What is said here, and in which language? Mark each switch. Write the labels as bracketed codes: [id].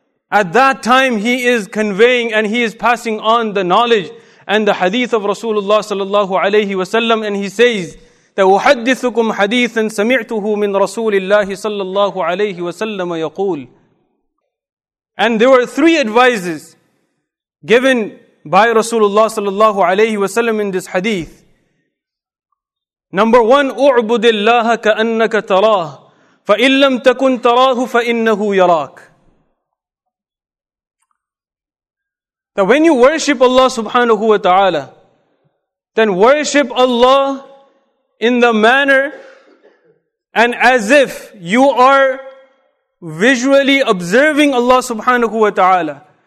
[en] At that time he is conveying and he is passing on the knowledge and the hadith of Rasulullah sallallahu alayhi wasallam, and he says that [ar] أُحَدِّثُكُمْ حَدِيثًا سَمِعْتُهُ مِنْ رَسُولِ اللَّهِ صَلَّى اللَّهُ عَلَيْهِ وَسَلَّمَ يَقُولُ. [en] And there were three advices given by Rasulullah sallallahu alayhi wasallam in this hadith. Number one, [ar] اعبد الله كأنك تراه فإن لم تكن تراه فإنه يراك. [en] That when you worship Allah subhanahu wa ta'ala, then worship Allah in the manner and as if you are visually observing Allah subhanahu wa ta'ala.